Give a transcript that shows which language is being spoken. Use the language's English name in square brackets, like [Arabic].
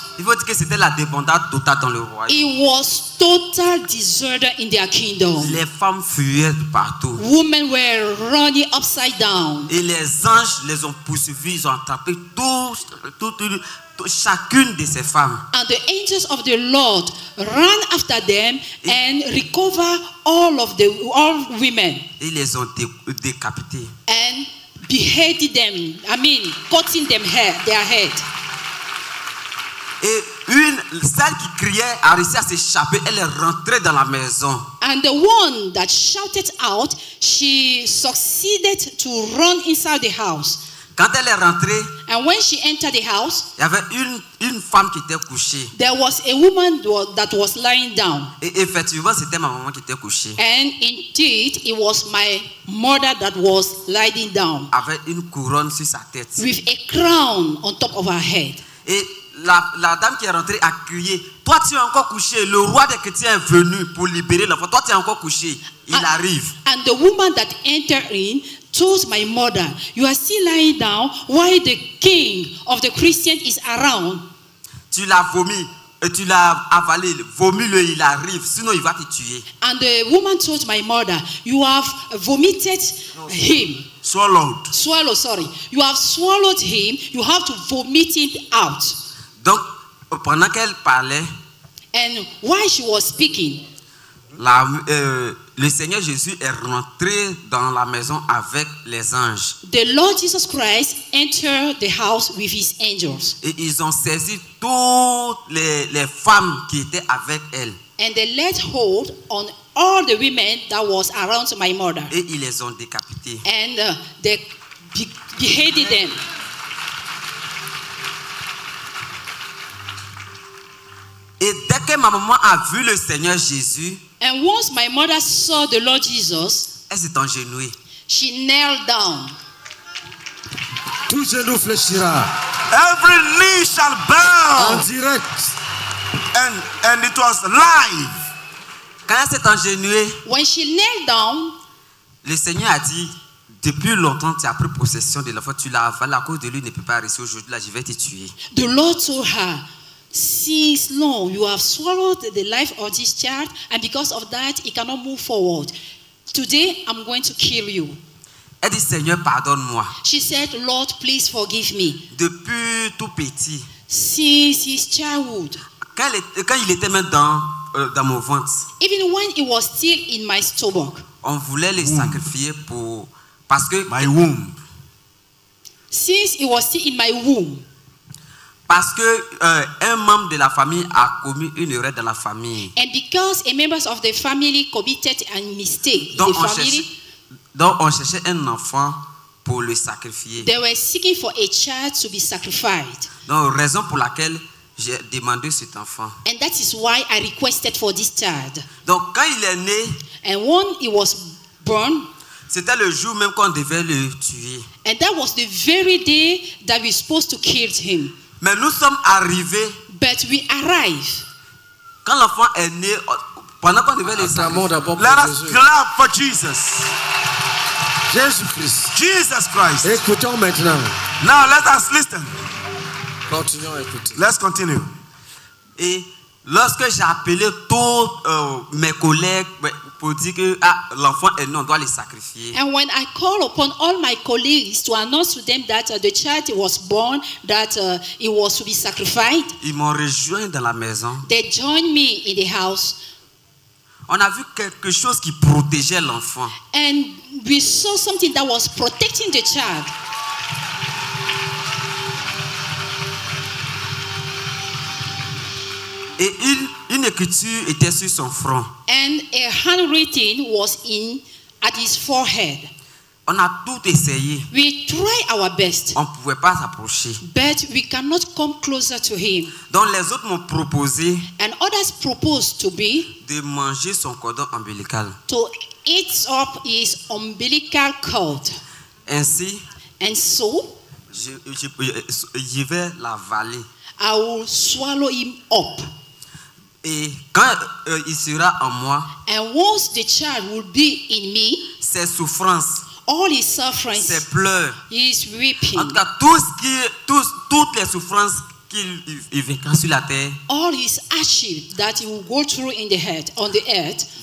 [French] il faut dire que c'était la débandade totale dans le royaume. [English] It was total disorder in their kingdom. [French] Les femmes fuyaient partout. [English] Women were running upside down. [French] Et les anges les ont poursuivis, ils ont attrapé tout chacune de ces femmes. [English] And the angels of the Lord ran after them and recovered all women. [French] Et les ont décapités. [English] And beheaded them. I mean, cutting them their head. [French] Et une, celle qui criait a réussi à s'échapper. Elle est rentrée dans la maison. [English] And the one that shouted out, she succeeded to run inside the house. [French] Quand elle est rentrée, [English] and when she entered the house, [French] il y avait une femme qui était couchée. [English] There was a woman that was lying down. [French] Et effectivement, c'était ma maman qui était couchée. [English] And indeed, it was my mother that was lying down. [French] Avec une couronne sur sa tête. [English] With a crown on top of her head. [French] Et La dame qui est rentrée a crié, toi tu es encore couché, le roi des chrétiens est venu pour libérer l'enfant, toi tu es encore couché, il arrive. [English] And the woman that entered in told my mother, you are still lying down, why the king of the Christians is around? [French] Tu l'as vomi, et tu l'as avalé, vomis-le, il arrive, sinon il va te tuer. [English] And the woman told my mother, you have vomited him. You have swallowed him, you have to vomit it out. [French] Donc, pendant qu'elle parlait, [English] and while she was speaking, [French] le Seigneur Jésus est rentré dans la maison avec les anges. [English] The Lord Jesus Christ entered the house with his angels. [French] Et ils ont saisi toutes les femmes qui étaient avec elle. [English] And they laid hold on all the women that was around my mother. [French] Et ils les ont décapités. [English] And they beheaded them. [French] Et dès que ma maman a vu le Seigneur Jésus, [English] and once my mother saw the Lord Jesus, [French] elle s'est engenouée. [English] She knelt down. [French] Tout genou fléchira. [English] Every knee shall bow. [French] En direct. [English] And it was live. [French] Quand elle s'est engenouée, [English] when she knelt down, [French] le Seigneur a dit, depuis longtemps tu as pris possession de l'enfant, tu l'as avalé, à cause de lui ne peut pas rester aujourd'hui là, je vais te tuer. [English] The Lord told her, since long you have swallowed the life of this child, and because of that he cannot move forward. Today I'm going to kill you. [French] Elle dit, Seigneur, pardonne-moi. [English] She said, Lord, please forgive me. [French] Depuis tout petit. [English] Since his childhood. [French] Quand il était même dans mon ventre. [English] Even when he was still in my stomach. [French] On voulait les sacrifier pour parce que [English] my womb. Since he was still in my womb. [French] Parce que un membre de la famille a commis une erreur dans la famille. [English] And because a member of the family committed a mistake [French] donc [English] in the family. [French] Donc on cherchait un enfant pour le sacrifier. [English] They were seeking for a child to be sacrificed. [French] Donc raison pour laquelle j'ai demandé cet enfant. [English] And that is why I requested for this child. [French] Donc quand il est né. [English] And when he was born. [French] C'était le jour même qu'on devait le tuer. [English] And that was the very day that we were supposed to kill him. [French] Mais nous sommes arrivés. [English] But we arrive. [French] Quand l'enfant est né, pendant qu'on devait les saluer. [English] Let us clap for Jesus. Jesus Christ. Jesus Christ. [French] Écoutons maintenant. [English] Now let us listen. [French] Continuons à écouter. [English] Let's continue. [French] Et lorsque j'ai appelé tous mes collègues pour dire que l'enfant est né, on doit les sacrifier. [English] And when I call upon all my colleagues to announce to them that the child was born, that it was to be sacrificed. [French] Ils m'ont rejoint dans la maison. [English] They joined me in the house. [French] On a vu quelque chose qui protégeait l'enfant. [English] And we saw something that was protecting the child. [French] Et une écriture était sur son front. [English] And a handwriting was at his forehead. [French] On a tout essayé. [English] We try our best. [French] On pouvait pas s'approcher. [English] But we cannot come closer to him. [French] Donc les autres m'ont proposé. [English] And others proposed to be. [French] De manger son cordon ombilical. [English] To eat up his umbilical cord. [French] Ainsi. [English] And so. [French] Je vais l'avaler. [English] I will swallow him up. [French] Et quand il sera en moi. [English] And once the child will be in me. [French] Ses souffrances. [English] All his suffering, [French] ses pleurs, [English] his weeping. [French] En tout cas, tout ce qui, tout, toutes les souffrances qu'il vécu sur la terre. [English] All his hardship that he will go through in the earth, on the earth.